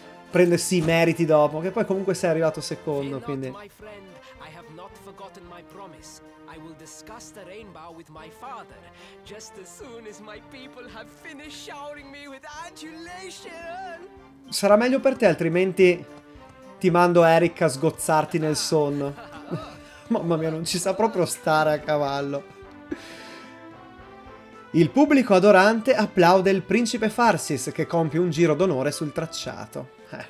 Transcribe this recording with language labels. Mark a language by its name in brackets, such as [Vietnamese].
[Italian] Prende sì i meriti dopo, che poi comunque sei arrivato secondo, quindi... [English] my friend, I have not forgotten my promise. I will discuss the rainbow with my father just as soon as my people have finished showering me with adulation. [Italian] Sarà meglio per te, altrimenti ti mando Erik a sgozzarti nel sonno. Mamma mia, non ci sa proprio stare a cavallo. Il pubblico adorante applaude il principe Farsis che compie un giro d'onore sul tracciato.